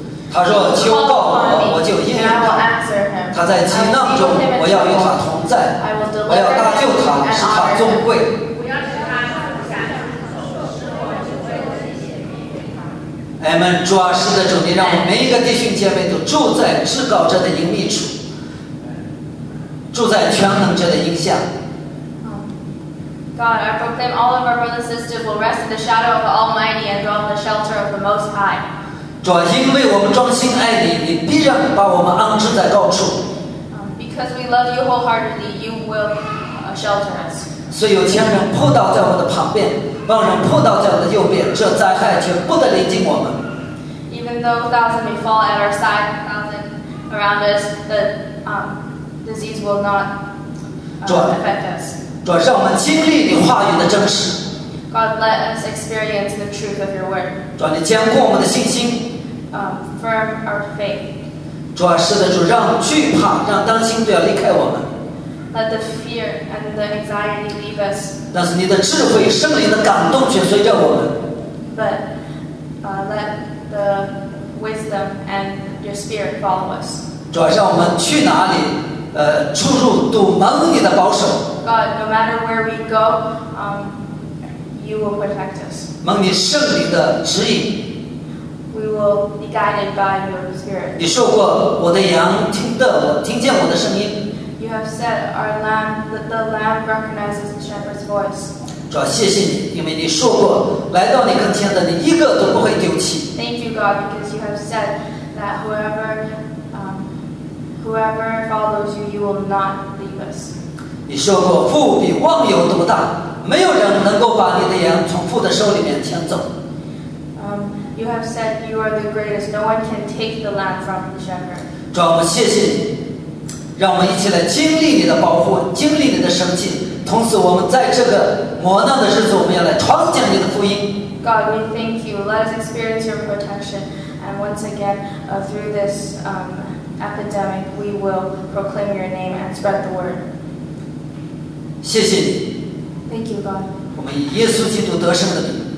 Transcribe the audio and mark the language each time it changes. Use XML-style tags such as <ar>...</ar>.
<zh>他若求告我，我就应允他；他在急难中，我要与他同在，我要搭救他，使他尊贵。我们主啊，是的主，你让我们每一个弟兄姐妹都住在至高者的隐秘处，住在全能者的荫下。</zh> <en>God, I proclaim all of our brothers and sisters will rest in the shadow of the Almighty and dwell in the shelter of the Most High.</en> <zh>主啊，因为我们忠心爱你，你必然把我们安置在高处。</zh> <en>Because we love you wholeheartedly, you will shelter us.</en> <zh>虽有千人扑倒在我的旁边。万人扑倒在我的右边，这灾害却不得临近我们。</zh> <en>Even though thousands may fall at our side, thousands around us, the disease will not affect us.</en> <zh>主，让我们经历你话语的真实。</zh> <en>God, let us experience the truth of your word.</en> <zh>主，你坚固我们的信心。</zh> <en>Firm our faith.</en> <zh>主，是的，主，让惧怕、让担心都要离开我们。</zh> <en>Let the fear and the anxiety leave us.</en> <zh>但是你的智慧、圣灵的感动却随着我们。</zh> <en>But let the wisdom and your spirit follow us.</en> <zh>主啊，让我们去哪里，出入都蒙你的保守。</zh> <en>God, no matter where we go, you will protect us.</en> <zh>蒙你圣灵的指引。</zh> <en>We will be guided by your spirit.</en> <zh>你说过，我的羊听见我的声音。</zh> <en>You have said, "Our lamb, the lamb recognizes the shepherd's voice."</en> <zh>主啊，谢谢你，因为你说过，来到你跟前的，你一个都不会丢弃。</zh> <en>Thank you, God, because you have said that whoever follows you, you will not leave us.</en> <zh>你说过，父比万有都大，没有人能够把你的羊从父的手里面牵走。</zh> <en>You have said you are the greatest. No one can take the lamb from the shepherd.</en> <zh>主啊，我们谢谢你。让我们一起来经历你的保护，经历你的生气。同时，我们在这个磨难的日子，我们要来传讲你的福音。</zh> <en>God, we thank you. Let us experience your protection And once again, through this epidemic, we will proclaim your name and spread the word.</en> <zh>谢谢你。</zh> <en>Thank you, God.</en> <zh>我们以耶稣基督得胜的名。</zh>